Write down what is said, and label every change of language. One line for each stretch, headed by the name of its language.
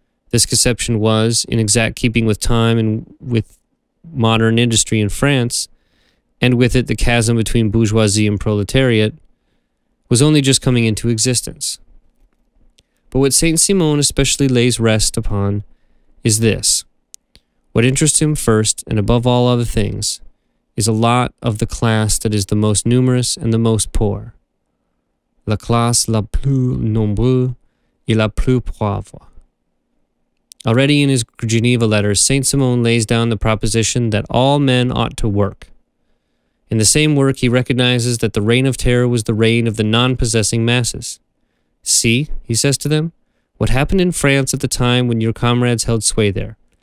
English: This conception was, in exact keeping with time and with modern industry in France, and with it the chasm between bourgeoisie and proletariat, was only just coming into existence. But what Saint-Simon especially lays rest upon is this. What interests him first, and above all other things, is a lot of the class that is the most numerous and the most poor.
French: La classe la plus nombreuse et la plus pauvre.
English: Already in his Geneva letters, Saint-Simon lays down the proposition that all men ought to work. In the same work, he recognizes that the reign of terror was the reign of the non-possessing masses. See, he says to them, what happened in France at the time when your comrades held sway there.